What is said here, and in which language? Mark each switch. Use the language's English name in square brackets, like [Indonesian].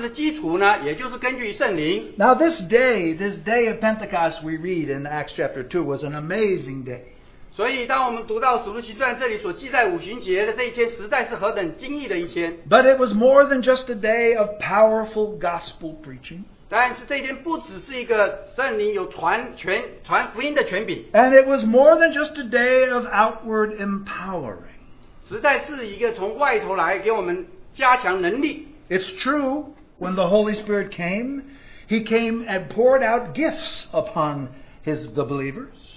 [Chinese] 所以这一天圣徒们彼此分享交接他们的基础呢也就是根据圣灵. [English] Now this day of Pentecost we read in Acts chapter 2 was an amazing day. [Chinese] 所以当我们读到《使徒行传》这里所记载五旬节的这一天，实在是何等惊异的一天！ [English] But it was more than just a day of powerful gospel preaching. [Chinese] 但是这一天不只是一个圣灵有传福音的权柄。 [English] And it was more than just a day of outward empowering. [Chinese] 实在是一个从外头来给我们加强能力。 [English] It's true, when the Holy Spirit came, He came and poured out gifts upon the believers.